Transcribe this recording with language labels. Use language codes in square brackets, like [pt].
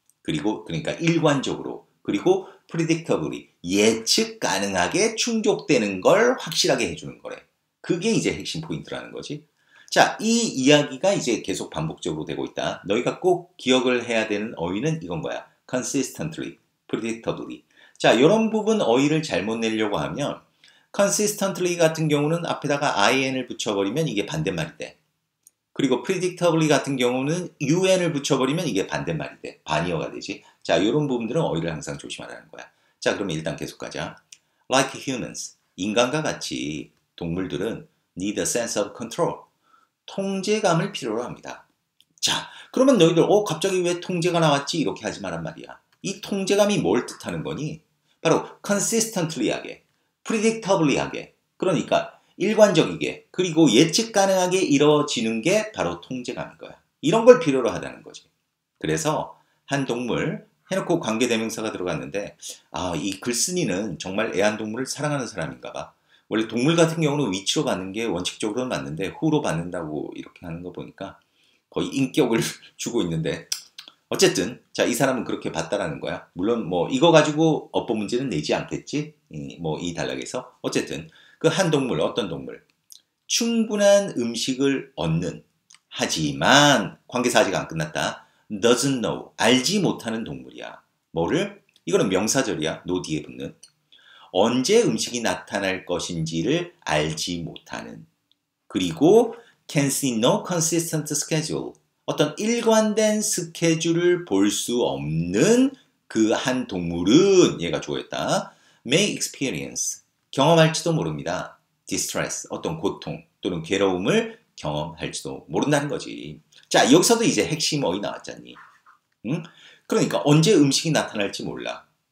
[ko] 그리고 그러니까 일관적으로. 그리고 predictably, 예측 가능하게 충족되는 걸 확실하게 해주는 거래. 그게 이제 핵심 포인트라는 거지. 자, 이 이야기가 이제 계속 반복적으로 되고 있다. 너희가 꼭 기억을 해야 되는 어휘는 이건 거야. [en] Consistently, predictably. [ko] 자, 이런 부분 어휘를 잘못 내려고 하면 Consistently 같은 경우는 앞에다가 IN을 붙여버리면 이게 반대말이 돼. 그리고 Predictably 같은 경우는 UN을 붙여버리면 이게 반대말이 돼. 반이어가 되지. 자, 이런 부분들은 어휘를 항상 조심하라는 거야. 자, 그러면 일단 계속 가자. [en] Like humans, [ko] 인간과 같이 동물들은 [en] need a sense of control. [ko] 통제감을 필요로 합니다. 자, 그러면 너희들 갑자기 왜 통제가 나왔지? 이렇게 하지 말란 말이야. 이 통제감이 뭘 뜻하는 거니? 바로 consistently하게, predictably하게, 그러니까 일관적이게, 그리고 예측 가능하게 이루어지는 게 바로 통제감인 거야. 이런 걸 필요로 하다는 거지. 그래서 한 동물 해놓고 관계대명사가 들어갔는데 이 글쓴이는 정말 애완동물을 사랑하는 사람인가 봐. 원래 동물 같은 경우는 위치로 받는 게 원칙적으로는 맞는데 후로 받는다고 이렇게 하는 거 보니까 거의 인격을 주고 있는데 어쨌든 자 이 사람은 그렇게 봤다라는 거야. 물론 뭐 이거 가지고 업보 문제는 내지 않겠지. 뭐 이 단락에서 어쨌든 그 한 동물 어떤 동물 충분한 음식을 얻는 하지만 관계사 아직 안 끝났다. [en] doesn't know [ko] 알지 못하는 동물이야. 뭐를? 이거는 명사절이야. no 뒤에 붙는. 언제 음식이 나타날 것인지를 알지 못하는. [en] 그리고 can see no consistent schedule. [ko] 어떤 일관된 스케줄을 볼 수 없는 그 한 동물은 얘가 좋아했다. [en] may experience. [ko] 경험할지도 모릅니다. [en] distress. [ko] 어떤 고통 또는 괴로움을 경험할지도 모른다는 거지. 자, 여기서도 이제 핵심 어휘 나왔잖니. 응? 그러니까 언제 음식이 나타날지 몰라.